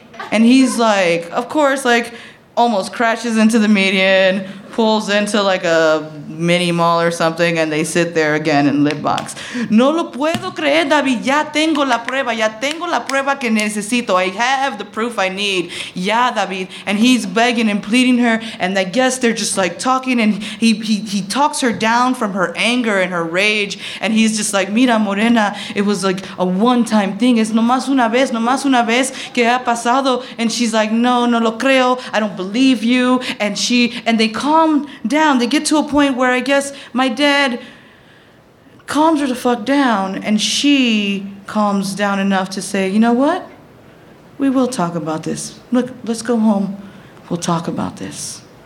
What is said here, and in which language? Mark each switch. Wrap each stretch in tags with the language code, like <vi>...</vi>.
<en>And he's like, of course, like, almost crashes into the median, pulls into like a mini mall or something, and they sit there again in lip box.</en> <es>No lo puedo creer, David. Ya tengo la prueba que necesito.</es> <en>I have the proof I need.</en> <es>Ya, David.</es> <en>And he's begging and pleading her, and I guess they're just like talking, and he talks her down from her anger and her rage, and he's just like,</en> <es>mira, morena,</es> <en>it was like a one-time thing.</en> <es>Es nomás una vez que ha pasado.</es> <en>And she's like,</en> <es>no, no lo creo.</es> <en>I don't believe you. And she, and they calm down. They get to a point where I guess my dad calms her the fuck down, and she calms down enough to say, you know what? We will talk about this. Look, let's go home. We'll talk about this.</en>